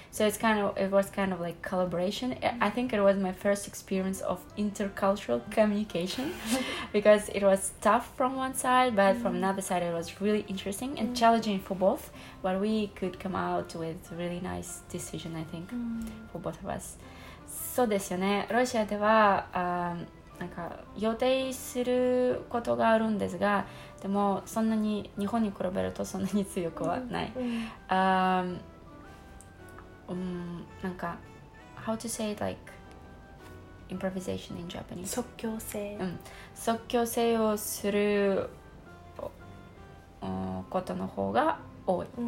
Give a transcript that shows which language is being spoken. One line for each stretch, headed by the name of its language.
English: So it was kind of like collaboration. I think it was my first experience of intercultural communication, because it was tough from one side, but from another side it was really interesting and challenging for both. But we could come out with a really nice decision, I think, for both of us.
Japanese: So desu yo ne. Russia deva. なんか予定することがあるんですが、でもそんなに日本に比べるとそんなに強くはない。
English: なんか how to say it, like improvisation in Japanese?
Japanese: 即興性。即興性をすることの方が多い。